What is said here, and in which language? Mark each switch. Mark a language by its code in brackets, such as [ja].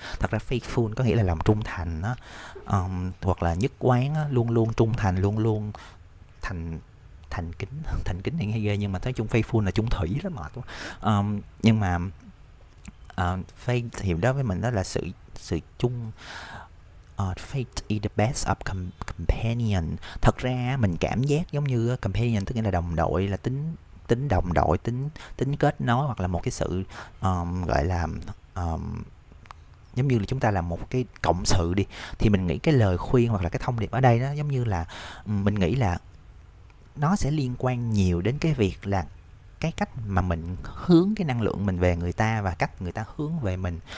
[vi] Thật ra faithful có nghĩa là lòng trung thành đó, hoặc là nhất quán đó, luôn luôn trung thành, luôn luôn thành kính thì nghe ghê, nhưng mà nói chung faithful là chung thủy đó, mệt quá. Nhưng mà faith thì đó với mình đó là sự sự chung. [en] Faith is the best of companion. [vi] Thật ra mình cảm giác giống như companion tức là đồng đội, là tính tính đồng đội, tính tính kết nối, hoặc là một cái sự gọi là giống như là chúng ta là một cái cộng sự đi. Thì mình nghĩ cái lời khuyên hoặc là cái thông điệp ở đây đó giống như là mình nghĩ là nó sẽ liên quan nhiều đến cái việc là cái cách mà mình hướng cái năng lượng mình về người ta và cách người ta hướng về mình.